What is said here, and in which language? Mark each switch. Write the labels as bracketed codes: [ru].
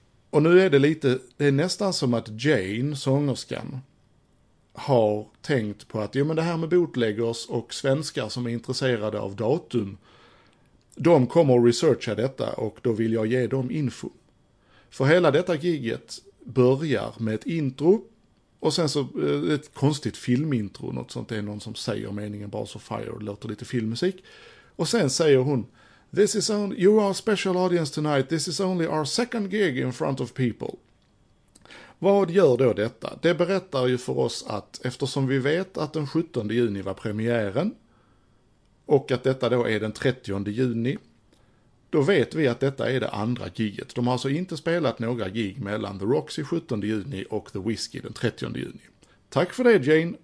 [sv] Och nu är det lite, det är nästan som att Jane, sångerskan, har tänkt på att, ja, men det här med bootleggers och svenskar som är intresserade av datum, de kommer att researcha detta och då vill jag ge dem info. För hela detta giget börjar med ett intro och sen så ett konstigt filmintro, något sånt, det är någon som säger meningen Balls of Fire och låter lite filmmusik. Och sen säger hon, [en] "This is only, you are a special audience tonight, this is only our second gig in front of people." [sv] Vad gör då detta? Det berättar ju för oss att eftersom vi vet att den 17 juni var premiären och att detta då är den 30 juni, då vet vi att detta är det andra giget. De har alltså inte spelat några gig mellan The Roxy 17 juni och The Whiskey den 30 juni. Tack för det, Jane.